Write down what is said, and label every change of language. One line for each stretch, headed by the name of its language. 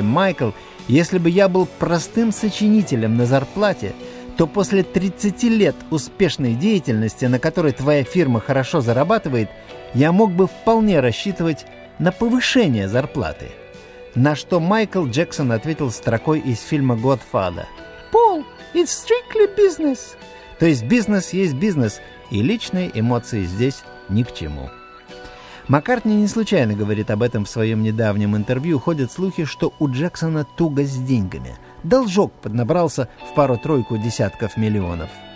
Russian: «Майкл, если бы я был простым сочинителем на зарплате, то после 30 лет успешной деятельности, на которой твоя фирма хорошо зарабатывает, я мог бы вполне рассчитывать на повышение зарплаты». На что Майкл Джексон ответил строкой из фильма «Годфадер».
English: «Пол, it's strictly business».
Russian: То есть бизнес есть бизнес, и личные эмоции здесь ни к чему. Маккартни не случайно говорит об этом в своем недавнем интервью. Ходят слухи, что у Джексона туго с деньгами. Должок поднабрался в 2-3 десятка миллионов.